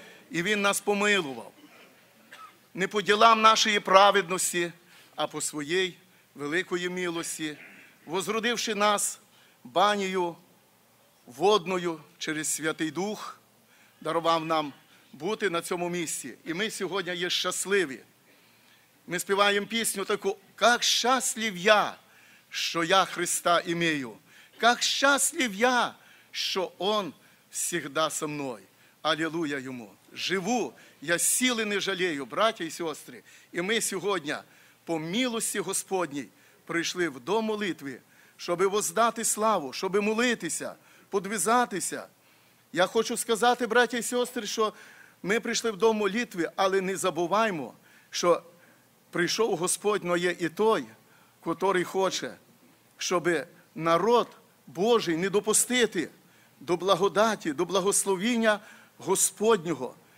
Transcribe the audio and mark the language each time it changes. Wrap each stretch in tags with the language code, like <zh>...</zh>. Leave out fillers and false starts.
<uk>І Він нас помилував не по ділам нашої праведності, а по своїй великої милості, возродивши нас банією водною через Святий Дух, дарував нам бути на цьому місці. І ми сьогодні є щасливі. Ми співаємо пісню таку:</uk> <ru>«Как щаслив я, що я Христа имею! Как щаслив я, що Он всегда со мной! Аллилуйя Йому!</ru> <uk>Живу, я сили не жалею, браття і сестри!» І ми сьогодні по милості Господній прийшли в дом молитви, щоб воздати славу, щоб молитися, подвизатися. Я хочу сказати, браття і сестри, що ми прийшли в дом молитви, але не забуваємо, що прийшов Господь, но є і той, котрий хоче, щоб народ Божий не допустити до благодаті, до благословіння Господнього.</uk>